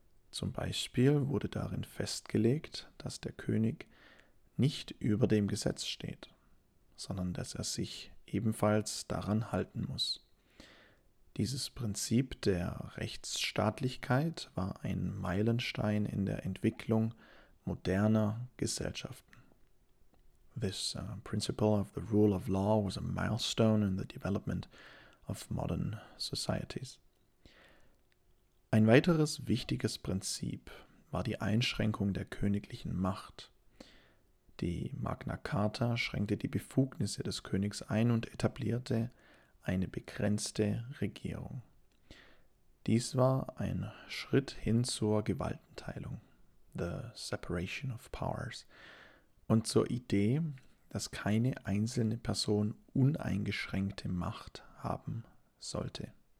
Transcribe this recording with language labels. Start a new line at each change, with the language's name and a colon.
German: Zum Beispiel wurde darin festgelegt, dass der König nicht über dem Gesetz steht, sondern dass er sich ebenfalls daran halten muss. Dieses Prinzip der Rechtsstaatlichkeit war ein Meilenstein in der Entwicklung moderner Gesellschaften.
English: This principle of the rule of law was a milestone in the development of modern societies.
German: Ein weiteres wichtiges Prinzip war die Einschränkung der königlichen Macht. Die Magna Carta schränkte die Befugnisse des Königs ein und etablierte eine begrenzte Regierung. Dies war ein Schritt hin zur Gewaltenteilung,
English: the separation of powers,
German: und zur Idee, dass keine einzelne Person uneingeschränkte Macht haben sollte.